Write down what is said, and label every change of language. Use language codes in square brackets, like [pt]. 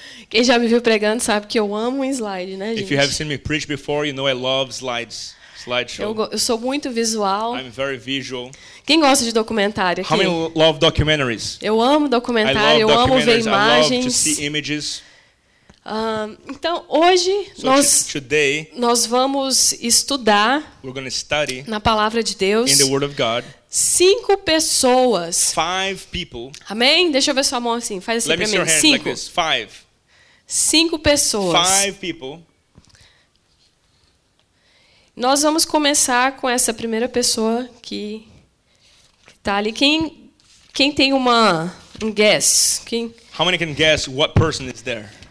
[pt] Quem já me viu pregando sabe que eu amo um slide, né, gente? [en] If you have seen me preach before, you know I love slides. [pt] Eu sou muito visual. [en] I'm very visual. [pt] Quem gosta de documentário aqui? [en] How many love documentaries? [pt] Eu amo documentário, eu amo ver imagens. [en] I love to see images. [pt] Então, hoje nós vamos estudar na palavra de Deus. [en] In the word of God. [pt] Cinco pessoas. [en] Five people. [pt] Amém? Deixa eu ver sua mão assim. Faz assim para mim. [en] Let me see your [pt] cinco. [en] Hand like this. Five. [pt] Cinco pessoas. [en] Five people. [pt] Nós vamos começar com essa primeira pessoa que está ali. Quem tem um guess? Quem? [en] How many can guess what person is there?